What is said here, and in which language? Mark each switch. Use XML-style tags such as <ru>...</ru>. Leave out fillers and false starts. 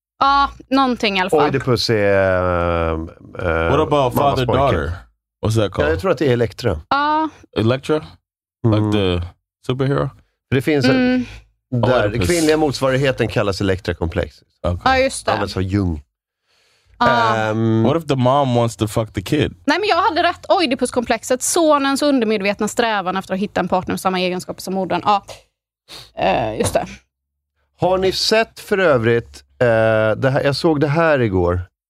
<sv>Ja, någonting i alla fall. Oidipus är</sv> <en>what about father daughter? What's that called?</en> <sv>Ja, jag tror att det är Elektra. Ja.</sv> <en>Elektra? Like the superhero?</en> <sv>Det finns en... Där kvinnliga motsvarigheten kallas elektrakomplex. Okay. Ja, just det. Alltså Jung.</sv> <en>What if the mom wants to fuck the kid?</en> <sv>Nej, men jag hade rätt. Oidipuskomplexet, sonens undermedvetna strävan efter att hitta en partner med samma egenskaper som modern. Just det. Har ni sett för övrigt det här, jag såg det här igår.</sv>